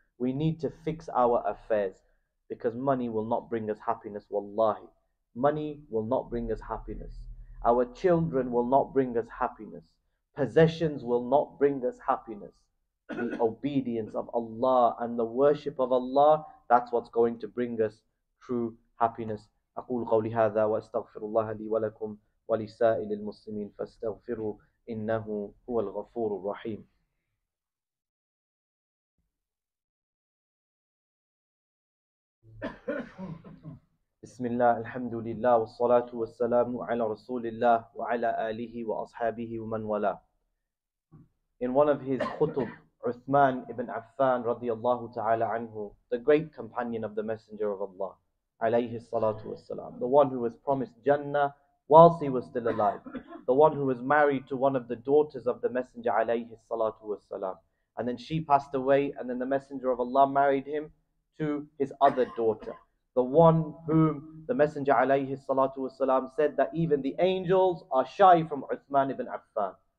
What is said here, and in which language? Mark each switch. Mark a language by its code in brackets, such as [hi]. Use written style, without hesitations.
[en] We need to fix our affairs, because money will not bring us happiness, wallahi. Money will not bring us happiness. Our children will not bring us happiness. Possessions will not bring us happiness. The obedience of Allah and the worship of Allah, that's what's going to bring us true happiness. [ar] أقول قولي هذا وأستغفر الله لي ولكم ولسائر المسلمين فاستغفروا إنه هو الغفور الرحيم. بسم الله الحمد لله والصلاة والسلام على رسول الله وعلى آله وأصحابه ومن والاه. [en] In one of his khutub, Uthman ibn Affan radiallahu ta'ala anhu, the great companion of the Messenger of Allah, alayhi salatu wasalam, the one who was promised Jannah whilst he was still alive, the one who was married to one of the daughters of the Messenger, alayhi salatu wasalam, and then she passed away, and then the Messenger of Allah married him to his other daughter, the one whom the Messenger, alayhi salatu wasalam, said that even the angels are shy from Uthman ibn Affan.